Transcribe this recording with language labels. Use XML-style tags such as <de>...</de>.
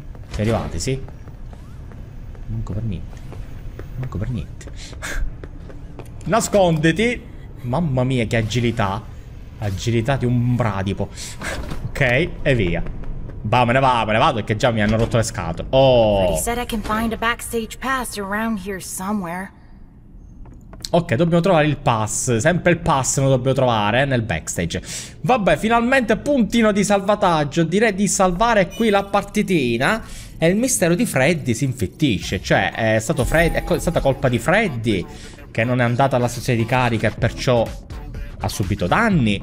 <it>Siamo arrivati, sì? Manco per niente. Manco per niente. Nasconditi. Mamma mia, che agilità. Agilità di un bradipo. Ok, e via. Va, me ne va, me ne vado, perché già mi hanno rotto le scatole. Oh.</it> <en>Said I can find a backstage pass around here somewhere.</en> <it>Ok, dobbiamo trovare il pass. Sempre il pass lo dobbiamo trovare nel backstage. Vabbè, finalmente puntino di salvataggio. Direi di salvare qui la partitina. E il mistero di Freddy si infittisce. Cioè, è stata colpa di Freddy che non è andata alla stazione di carica e perciò ha subito danni.</it>